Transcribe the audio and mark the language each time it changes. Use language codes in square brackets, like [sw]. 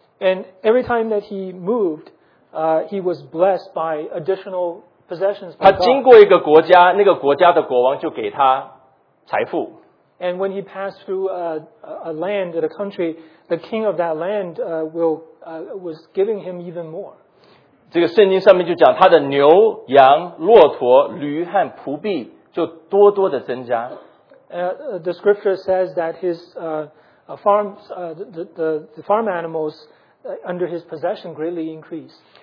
[en] And every time that he moved, he was blessed by additional possessions. [zh] 他经过一个国家，那个国家的国王就给他财富。 [en] And when he passed through a land, a country, the king of that land was giving him even more. [zh] 这个圣经上面就讲，他的牛羊骆驼驴和仆婢就多多的增加。 [en] The scripture says that his farms, the farm animals. Under his possession greatly increased.